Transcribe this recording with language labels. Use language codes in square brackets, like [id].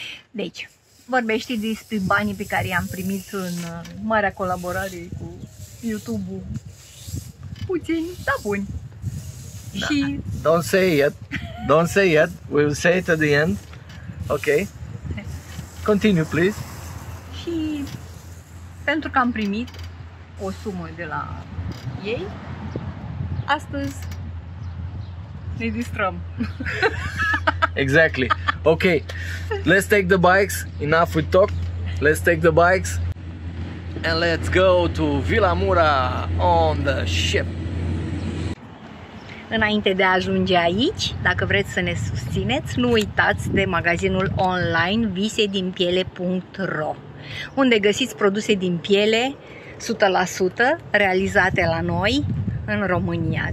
[ro] Deci, vorbește despre banii pe care i-am primit în marea colaborare cu YouTube-ul. Puțin, dar buni. Da. Și... [en] Don't say it yet. Don't say it yet. We will say it at the end. Ok. Continue, please. [ro] pentru că am primit o sumă de la ei, astăzi ne distrăm. [en] Exactly. Okay, let's take the bikes. Enough with talk. Let's take the bikes and let's go to Vilamoura on the ship. [ro] Înainte de a ajunge aici, dacă vreți să ne susțineți, nu uitați de magazinul online visedinpiele.ro, unde găsiți produse din piele 100% realizate la noi în România.